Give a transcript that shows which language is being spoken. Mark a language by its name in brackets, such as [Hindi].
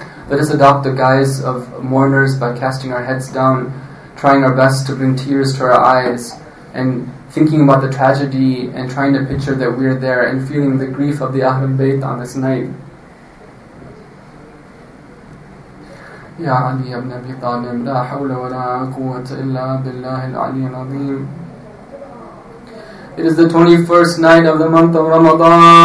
[English] Let us adopt the guise of mourners by casting our heads down, trying our best to bring tears to our eyes, and thinking about the tragedy and trying to picture that we're there and feeling the grief of the Ahlul Bayt on this night. [Arabic] يا علي ابن ابي طالب لا حول ولا قوه الا بالله العلي العظيم. [English] It is the 21st night of the month of Ramadan.